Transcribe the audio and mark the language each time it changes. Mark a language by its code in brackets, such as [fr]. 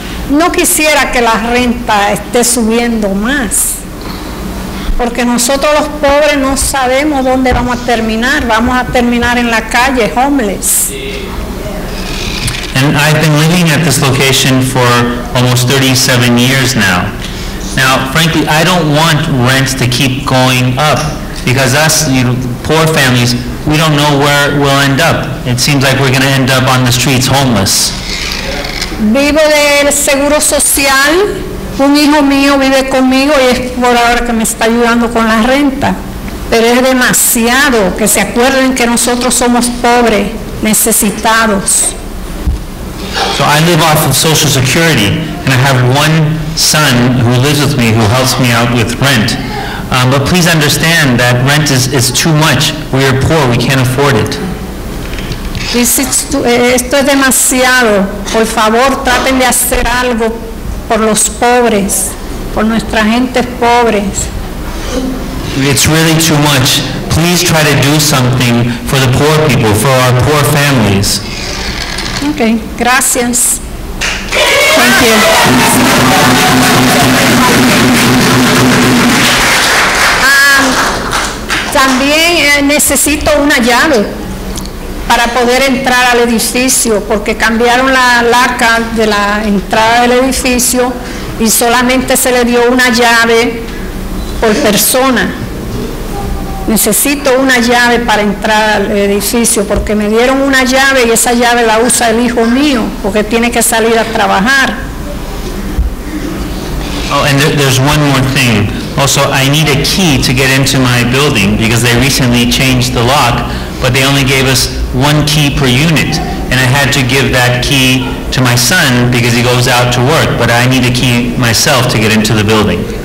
[es] No quisiera que la renta esté subiendo más, porque nosotros los pobres no sabemos dónde vamos a terminar. Vamos a terminar en la calle, homeless. [en] And I've been living at this location for almost 37 years now. Now, frankly, I don't want rents to keep going up. Because us, you know, poor families, we don't know where we'll end up. It seems like we're going to end up on the streets homeless. [es] Vivo del seguro social. Un hijo mío vive conmigo y es por ahora que me está ayudando con la renta. Pero es demasiado. Que se acuerden que nosotros somos pobres, necesitados. [en] So I live off of Social Security, and I have one son who lives with me who helps me out with rent. But please understand that rent is too much. We are poor. We can't afford it. [es] Esto es demasiado. Por favor, traten de hacer algo por los pobres, por nuestra gente pobres. [en] It's really too much. Please try to do something for the poor people, for our poor families. [es] Okay. Gracias. [en] Thank you. [es] También necesito una llave para poder entrar al edificio porque cambiaron la laca de la entrada del edificio y solamente se le dio una llave por persona. Necesito una llave para entrar al edificio porque me dieron una llave y esa llave la usa el hijo mío porque tiene que salir a trabajar. [en] Oh, and there's one more thing. Also, I need a key to get into my building because they recently changed the lock, but they only gave us one key per unit, and I had to give that key to my son because he goes out to work, but I need a key myself to get into the building.